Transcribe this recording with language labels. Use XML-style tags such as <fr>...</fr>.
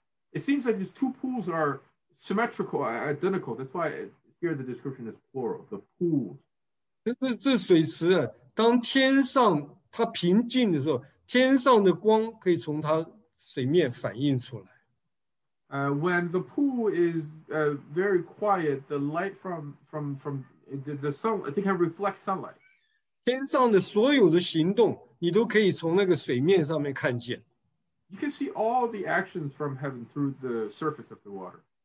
<en>It seems like these two pools are symmetrical, identical. That's why here the description is plural, the pools.</en> <zh>这水池，当天上它平静的时候，天上的光可以从它水面反映出来。</zh> <en>When the pool is very quiet, the light from the sun, I think, can reflect sunlight.</en> <zh>天上的所有的行动，你都可以从那个水面上面看见。</zh> <en>You can see all the actions from heaven through the surface of the water.</en>